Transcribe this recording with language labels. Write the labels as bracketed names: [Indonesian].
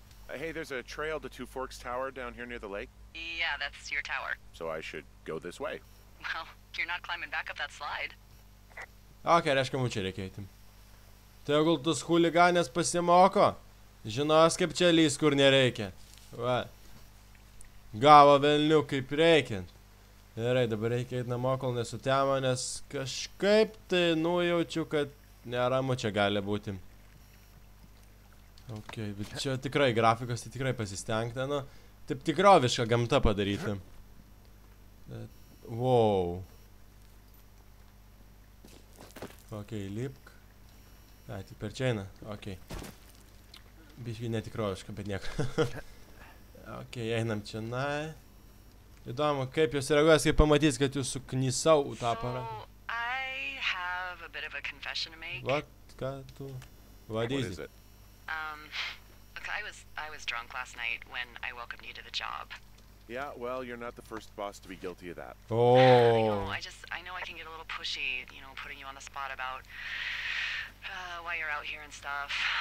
[English] Hey, there's a trail to Two Forks Tower down here near the lake. Yeah, that's your tower. So I should go this way. Well, you're not climbing back up that slide. [Lithuanian] Okay, reiškia, mums čia reikia eiti. Tegul tos chuliganės pasimoko. Žinos, kaip čia lys, kur nereikia. Va. Gavo velnių, kaip reikia. Gerai, dabar reikia eiti namo, kol nesutemo, nes kažkaip tai nujaučiu, kad neramu čia gali būti. Ok, bet čia tikrai grafikos, tai tikrai pasistengta, nu, taip tikrovišką gamtą padaryti. Wow. Ok, lipk. A, tik per čia eina, ok. Biškai netikrovišką, bet nieko. Ok, einam čia, na. Įdomu, kaip jūs reaguos, kaip pamatys, kad jūs suknysau tą parą. [English] So, a bit of a confession to make. What? [Lithuanian] Ką tu? [English] What is it? Look, I was drunk last night when I welcomed you to the job. Yeah, well, you're not the first boss to be guilty of that. Oh. I know I can get a little pushy, you know, putting you on the spot about why you're out here and stuff.